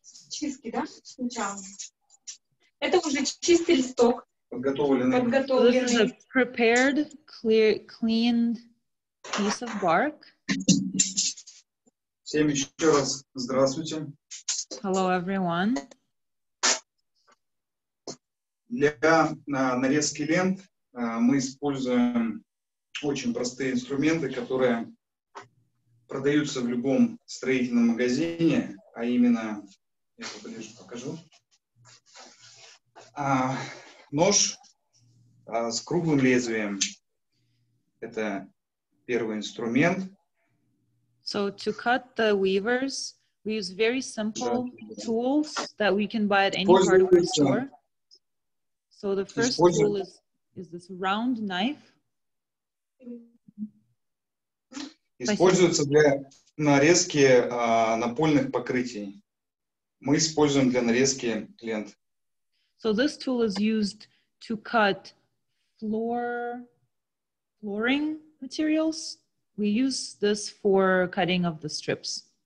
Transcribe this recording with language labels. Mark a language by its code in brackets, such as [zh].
[ru] Чистки, да? Сначала. Это уже чистый листок. Подготовленный. [en] This is a prepared, cleaned piece of bark. [ru] Всем еще раз здравствуйте. [en] Hello, everyone. [ru] Для нарезки лент мы используем очень простые инструменты, которые продаются в любом строительном магазине, а именно, я поближе покажу, нож с круглым лезвием. Это первый инструмент. [en] So to cut the weavers, we use very simple tools that we can buy at any hardware store. So the first tool is this round knife. [ru] Используется для нарезки напольных покрытий. Мы используем для нарезки лент. [en] So this tool is used to cut flooring materials. We use this for cutting of the strips.